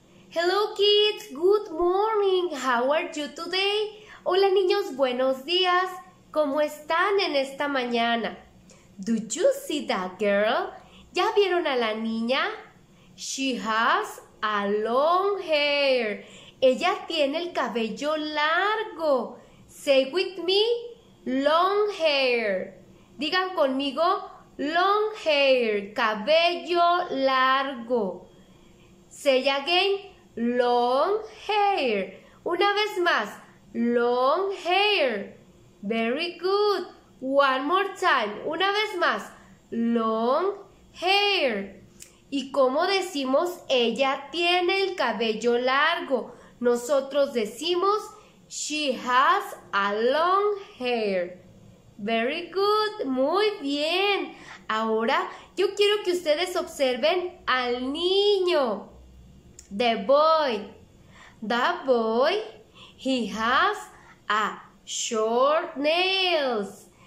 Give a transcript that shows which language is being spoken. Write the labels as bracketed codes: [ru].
[en] Hello kids, good morning, how are you today? [es] Hola niños, buenos días, ¿cómo están en esta mañana? [en] Do you see that girl? [es] ¿Ya vieron a la niña? [en] She has a long hair. [es] Ella tiene el cabello largo. [en] Say with me, long hair. [es] Digan conmigo, [en] long hair, [es] cabello largo. [en] Say again, long hair. [es] Una vez más, [en] long hair. Very good. One more time. [es] Una vez más, [en] long hair. [es] ¿Y cómo decimos ella tiene el cabello largo? Nosotros decimos [en] she has a long hair. Very good. [es] Muy bien. Ahora yo quiero que ustedes observen al niño. [en] The boy. The boy, he has a short nails.